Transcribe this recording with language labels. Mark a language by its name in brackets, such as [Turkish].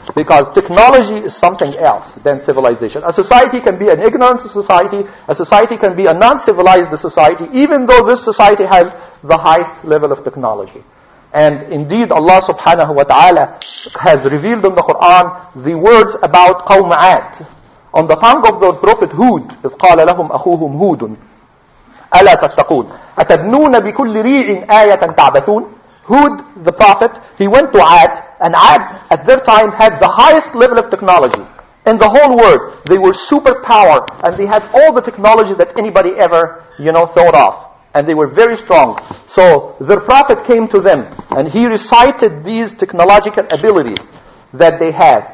[English] Because technology is something else than civilization. A society can be an ignorant society. A society can be a non-civilized society, even though this society has the highest level of technology. And indeed, Allah subhanahu wa ta'ala has revealed in the Quran the words about Qawm Aad. On the tongue of the Prophet Hud, [Arabic] إِذْ قَالَ لَهُمْ أَخُوهُمْ هُودٌ أَلَا تَتَّقُونَ أَتَبْنُونَ بِكُلِّ رِيعٍ آيَةً تَعْبَثُونَ. [English] Hud, the Prophet, he went to Aad, and Aad at their time had the highest level of technology in the whole world. They were superpower, and they had all the technology that anybody ever, you know, thought of. And they were very strong. So their Prophet came to them, and he recited these technological abilities that they have.